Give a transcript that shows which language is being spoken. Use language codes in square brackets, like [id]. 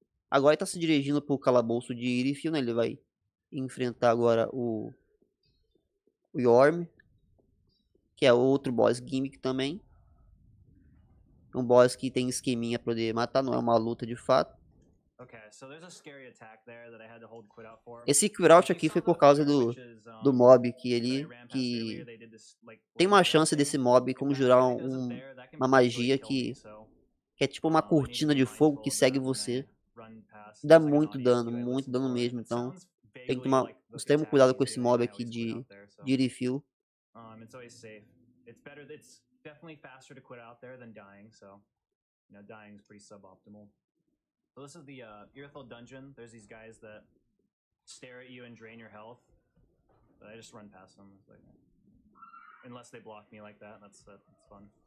[pt] Agora ele tá se dirigindo pro calabouço de Irithyll, né? Ele vai enfrentar agora o Yorm, que é outro boss gimmick também. Um boss que tem esqueminha para poder matar, não é uma luta de fato. [en] Okay, so there's a scary attack there that I had to hold quit out for. [pt] Esse quit out aqui foi por causa do mob que ele que tem uma chance desse mob conjurar uma magia que é tipo uma cortina de fogo que segue você. Dá muito dano mesmo, então tem que tomar extremo cuidado com esse mob aqui de Irithyll. [en] It's always safe. It's better, it's definitely faster to quit out there than dying, so you know, dying is pretty suboptimal. So this is the Irithyll dungeon. There's these guys that stare at you and drain your health. But I just run past them. Like, unless they block me like that, that's fun.